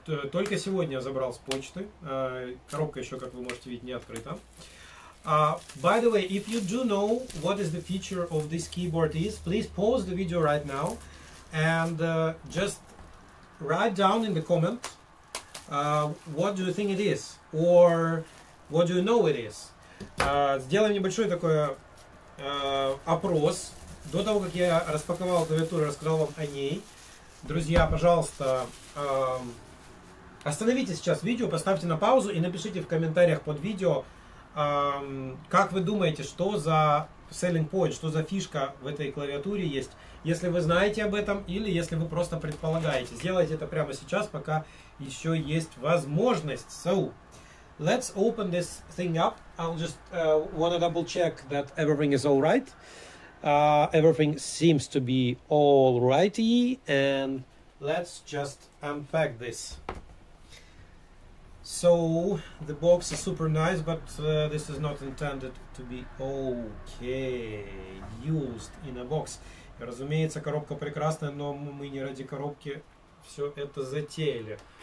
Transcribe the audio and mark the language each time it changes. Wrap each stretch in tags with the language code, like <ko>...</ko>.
<ru>Только сегодня я забрал с почты. Коробка еще, как вы можете видеть, не открыта.</ru> <en>By the way, if you do know what is the feature of this keyboard is, please pause the video right now and just write down in the comment what do you think it is or what do you know it is.</en> <ru>Сделаем небольшой такой опрос. До того, как я распаковал клавиатуру и рассказал вам о ней, друзья, пожалуйста, остановите сейчас видео, поставьте на паузу и напишите в комментариях под видео, как вы думаете, что за selling point, что за фишка в этой клавиатуре есть, если вы знаете об этом или если вы просто предполагаете. Сделайте это прямо сейчас, пока еще есть возможность.</ru> <en>So, let's open this thing up. I'll just want to double check that everything is all right. Everything seems to be all righty, and let's just unpack this. So, the box is super nice, but this is not intended to be okay used in a box.</en> <ru>Разумеется, коробка прекрасная, но мы не ради коробки все это затеяли.</ru>